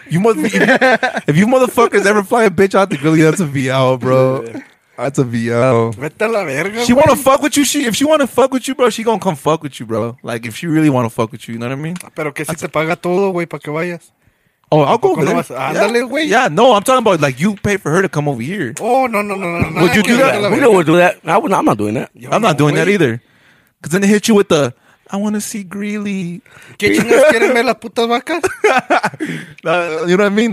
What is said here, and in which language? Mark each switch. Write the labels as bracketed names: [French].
[English] You must be, if you motherfuckers ever fly a bitch out to Greeley, that's a VL, bro. That's a VL. She want to fuck with you? If she want to fuck with you, bro, she going to come fuck with you, bro. Like, if she really want to fuck with you, you know what I mean? [Spanish] Pero que si te paga todo, güey, para que vayas. [English] Oh, I'll go over there. [Spanish] Andale, [English] yeah. Yeah, no, I'm talking about, like, you pay for her to come over here. Oh, no. Would you do that? We don't want to do that. I'm not doing that. I'm not doing that either. Because then they hit you with the, I want to see Greeley. [Spanish] ¿Qué chingas quieren ver las putas vacas? [English] You know what I mean?